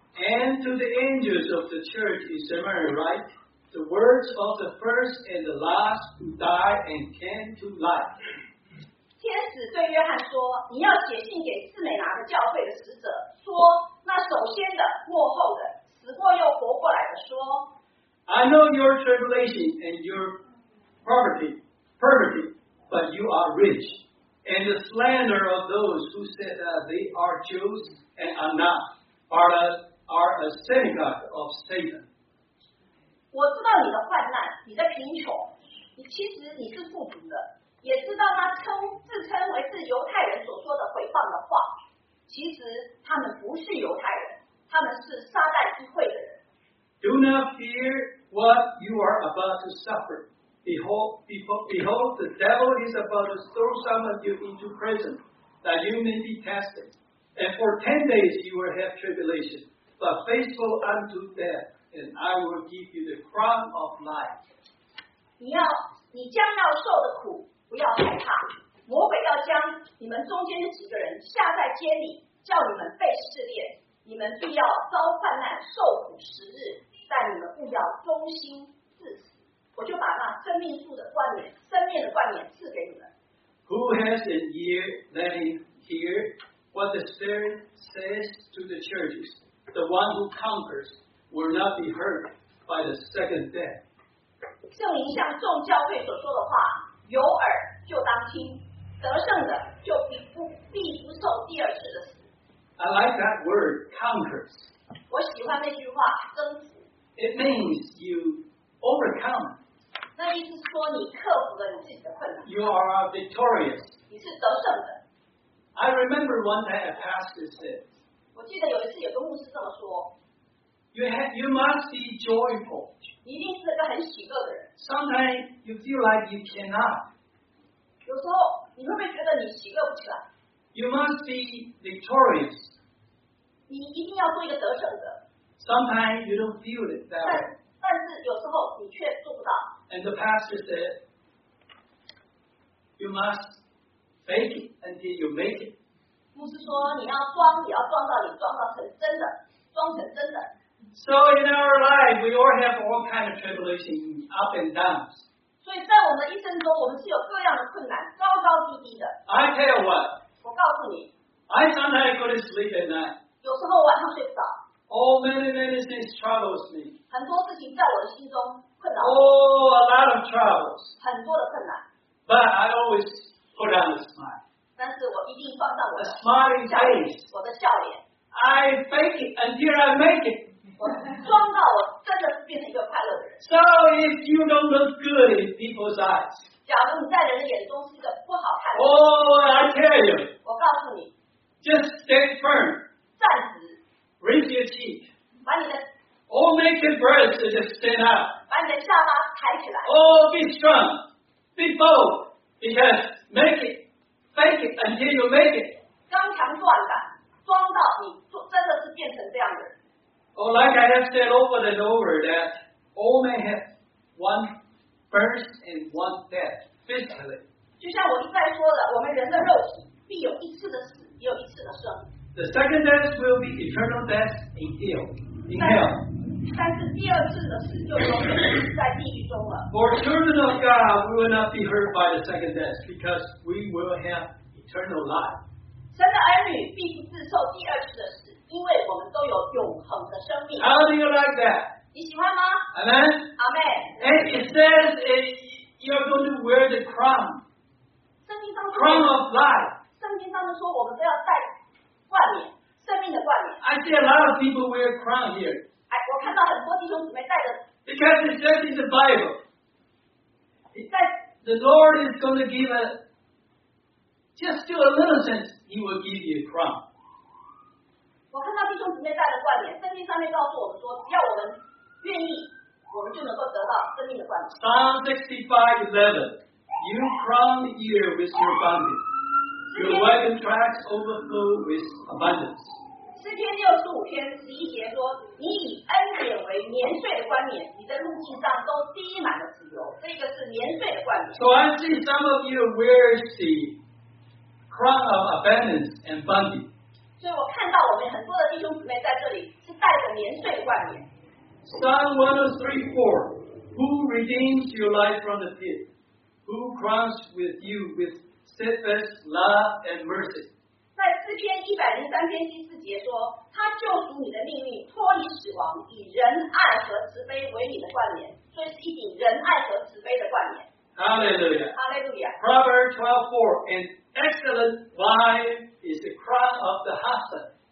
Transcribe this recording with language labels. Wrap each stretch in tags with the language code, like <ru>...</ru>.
<en>And to the angels of the church in Smyrna write the words of the first and the last who died and came to life.</en> <zh>天使对约翰说，你要写信给士美拿的教会的使者，说那首先的、末后的、死过又活过来的说。</zh> <en>I know your tribulation and your poverty, but you are rich, and the slander of those who said that they are Jews and are not, are a synagogue of Satan.</en> <zh>我知道你的患难，你的贫穷，你其实你是富足的。也知道他自称为是犹太人所说的毁谤的话，其实他们不是犹太人，他们是撒旦之会的人。</zh> <en>Do not fear what you are about to suffer. Behold, the devil is about to throw some of you into prison, that you may be tested. And for 10 days you will have tribulation. But faithful unto death, and I will give you the crown of life.</en> <zh>你将要受的苦。不要害怕，魔鬼要将你们中间的几个人下在监里，叫你们被试炼，你们必要遭患难，受苦十日，但你们不要忠心至死。我就把那生命树的冠冕，生命的冠冕赐给你们。</zh> <en>Who has an ear, let him hear what the Spirit says to the churches. The one who conquers will not be hurt by the second death.</en> <zh>圣灵向众教会所说的话。有耳就当听，得胜的就必不受第二次的死。</zh> <en>I like that word, conquers.</en> <zh>我喜欢那句话，征服。</zh> <en>It means you overcome.</en> <zh>那意思说你克服了你自己的困难。</zh> <en>You are victorious.</en> <zh>你是得胜的。</zh> <en>I remember one day a pastor said.</en> <zh>我记得有一次有个牧师这么说。</zh> <en>You must be joyful.</en> <zh>你一定是个很喜乐的人。</zh> <en>Sometimes you feel like you cannot.</en> <zh>有时候你会不会觉得你喜乐不起来？</zh> <en>You must be victorious.</en> <zh>你一定要做一个得胜者。</zh> <en>Sometimes you don't feel it that way.</en> <zh>但是有时候你却做不到。</zh> <en>And the pastor said, you must fake it until you make it.</en> <zh>牧师说你要装，也要装到你装到成真的，装成真的。</zh> <en>So in our life, we all have all kinds of tribulations, up and downs.</en> <zh>所以在我们的一生中，我们是有各样的困难，高高低低的。</zh> <en>I tell you what.</en> <zh>我告诉你。</zh> <en>I sometimes go to sleep at night.</en> <zh>有时候晚上睡不着。</zh> <en>Oh, many, many things troubles me.</en> <zh>很多事情在我的心中困扰。</zh> <en>Oh, a lot of troubles.</en> <zh>很多的困难。</zh> <en>But I always put on a smile.</en> <zh>但是我一定放上我的。</zh> <en>A smiling face.</en> <zh>我的笑脸。</zh> <en>I fake it until I make it.</en> <zh>装到我真的变成一个快乐的人。</zh> <en>So if you don't look good in people's eyes,</en> <zh>假如你在人的眼中是一个不好看的。</zh> <en>Oh, I tell you.</en> <zh>我告诉你。</zh> <en>Just stand firm.</en> <zh>站直。</zh> <en>Raise your cheek.</en> <zh>把你的。</zh> <en>Oh, make your breast to just stand up.</en> <zh>把你的下巴抬起来。</zh> <en>Oh, be strong. Be bold. Because make it, fake it until you make it.</en> <zh>刚强壮胆，装到你真的是变成这样的人。</zh> <en>Oh, like I have said over and over that all men have one first and one death physically.</en> <zh>就像我一再说的，我们人的肉体必有一次的死，也有一次的生。</zh> <en>The second death will be eternal death in hell.</en> <zh>但是第二次的死就永远在地狱中了。</zh> <en>For children of God, we will not be hurt by the second death because we will have eternal life.</en> <zh>神的儿女必不自受第二次的死。因为我们都有永恒的生命。</zh> <en>How do you like that?</en> <zh>你喜欢吗？</zh> <en>Amen. Amen. And it says you are going to wear the crown.</en> <zh>圣经上说。 Crown of life. 圣经上说我们都要戴冠冕。生命的冠冕。</zh> <en>I see a lot of people wear a crown here.</en> <zh>我看到很多弟兄姊妹戴着。</zh> <en>Because it says in the Bible, the Lord is going to give a just do a little sense, He will give you a crown.</en> <zh>我看到弟兄姊妹戴着冠冕，圣经上面告诉我们说，只要我们愿意。</zh> <en>Psalm 65:11 You crown the year with your bounty. Your wagon tracks overflow with abundance.</en> <zh>诗篇65:11说，你以恩典为年岁的冠冕，你的路径上都滴满了自由。这个是年岁的冠冕。</zh> <en>So I see some of you wear the crown of abundance and bounty.</en> <zh>所以我看到我们很多的弟兄姊妹在这里是戴着年岁的冠冕。</zh> <en>Psalm 103:4 Who redeems your life from the pit? Who crowns with you with steadfast love and mercy?</en> <zh>在诗篇103:14说，他救赎你的命运，脱离死亡，以仁爱和慈悲为你的冠冕，所以是一顶仁爱和慈悲的冠冕。</zh> <en>Hallelujah. Hallelujah. Proverbs 12:4 An excellent wife is the crown of the husband.</en>